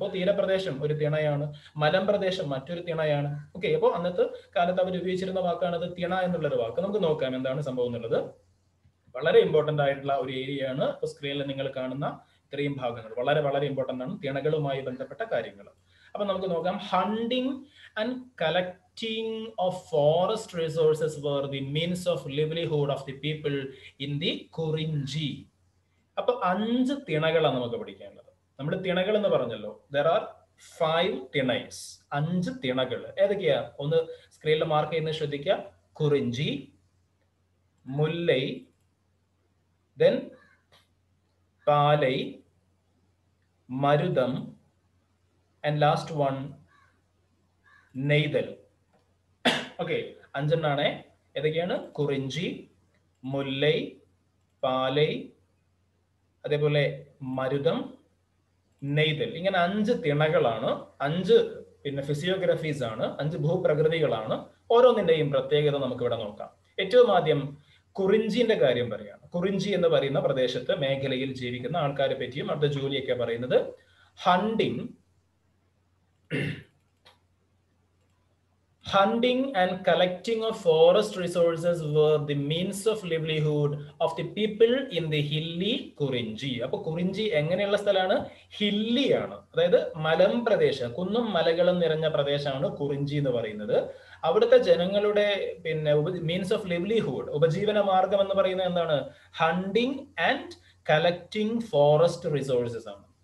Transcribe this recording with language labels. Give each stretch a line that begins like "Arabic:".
Malayalam: ഇപ്പോൾ തീരപ്രദേശം ഒരു തിണയാണ്, മലമ്പ്രദേശം മറ്റൊരു തിണയാണ്. ഓക്കെ, അപ്പോൾ അന്നത്തെ കാലത്ത് അവർ ഉപയോഗിച്ചിരുന്ന വാക്കാണത് തിണ എന്നുള്ളൊരു വാക്ക്. നമുക്ക് നോക്കാം എന്താണ് സംഭവം എന്നുള്ളത്. വളരെ ഇമ്പോർട്ടൻ്റ് ആയിട്ടുള്ള ഒരു ഏരിയയാണ് ഇപ്പോൾ സ്ക്രീനിൽ നിങ്ങൾ കാണുന്ന ഇത്രയും ഭാഗങ്ങൾ, വളരെ വളരെ ഇമ്പോർട്ടൻ്റ് ആണ് തിണകളുമായി ബന്ധപ്പെട്ട കാര്യങ്ങൾ. അപ്പൊ നമുക്ക് നോക്കാം,
English: Hunting and collect Collecting of forest resources were the means of livelihood of the people in the Kurinji.
Malayalam: അപ്പൊ അഞ്ച് തിണകളാണ് നമുക്ക് പഠിക്കേണ്ടത്. നമ്മൾ തിണകൾ എന്ന് പറഞ്ഞല്ലോ,
English: there are five thinais,
Malayalam: അഞ്ച് തിണകൾ ഏതൊക്കെയാ ഒന്ന് സ്ക്രീനിൽ മാർക്ക് ചെയ്യുന്ന ശ്രദ്ധിക്ക, കുറിഞ്ചി, മുല്ലൈ, then Palai, Marutham, and last one Neithal. Okay, അഞ്ചെണ്ണാണേ, ഏതൊക്കെയാണ്, കുറിഞ്ചി, മുല്ലൈ, പാലൈ, അതേപോലെ മരുതം, നെയ്തൽ. ഇങ്ങനെ അഞ്ച് തിണകളാണ്, അഞ്ച് പിന്നെ ഫിസിയോഗ്രഫീസ് ആണ്, അഞ്ച് ഭൂപ്രകൃതികളാണ്. ഓരോന്നിൻ്റെയും പ്രത്യേകത നമുക്കിവിടെ നോക്കാം. ഏറ്റവും ആദ്യം കുറിഞ്ചിൻ്റെ കാര്യം പറയാം. കുറിഞ്ചി എന്ന് പറയുന്ന പ്രദേശത്ത് മേഖലയിൽ ജീവിക്കുന്ന ആൾക്കാരെ പറ്റിയും അവരുടെ ജോലിയൊക്കെ പറയുന്നത്,
English: Hunting Hunting and collecting of forest resources were the means of livelihood of the people in the hilly Kurinji.
Malayalam: അപ്പോൾ കുറിഞ്ചി എങ്ങനെയുള്ള സ്ഥലമാണ്, ഹില്ലി ആണ്, അതായത് മലം പ്രദേശം, കുന്നും മലകളും നിറഞ്ഞ പ്രദേശമാണ് കുറിഞ്ചി എന്ന് പറയുന്നത്. അവിടുത്തെ ജനങ്ങളുടെ പിന്നെ
English: means of livelihood,
Malayalam: ഉപജീവന മാർഗം എന്ന് പറയുന്നത് എന്താണ്,
English: hunting and collecting forest resources
Malayalam: ആണ്.